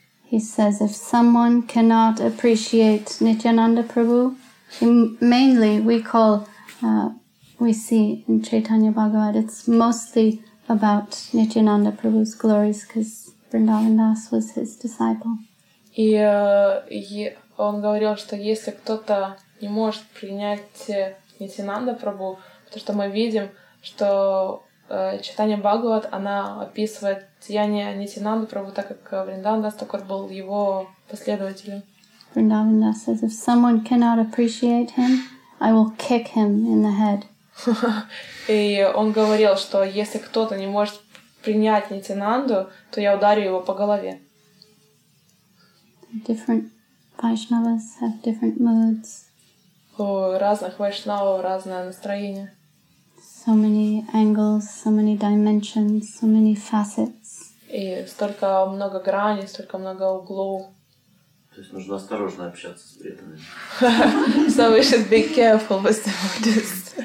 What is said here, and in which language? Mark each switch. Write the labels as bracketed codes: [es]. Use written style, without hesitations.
[en] He says if someone cannot appreciate Nityananda Prabhu, mainly we call, we see in Chaitanya Bhagavad, it's mostly about Nityananda Prabhu's glories because Vrindavan Das was his disciple. [ru] И он говорил, что если кто-то не может принять Нитьянанда Прабху, потому что мы видим, что Чайтанья Бхагават, она описывает деяния Нитьянанда Прабху, так как Вриндаван Дас Такур был его последователем. [en] Vrindavan Das says, if someone cannot appreciate him, I will kick him in the head. [ru] И он говорил, что если кто-то не может принять Нитьянанду, то я ударю его по голове. [en] Different Vaishnavas have different moods. [ru] У разных Вайшнава разное настроение. [en] So many angles, so many dimensions, so many facets. [ru] И столько много граней, столько много углов. То есть нужно осторожно общаться с преданными. [en] So we should be careful with the Buddhists.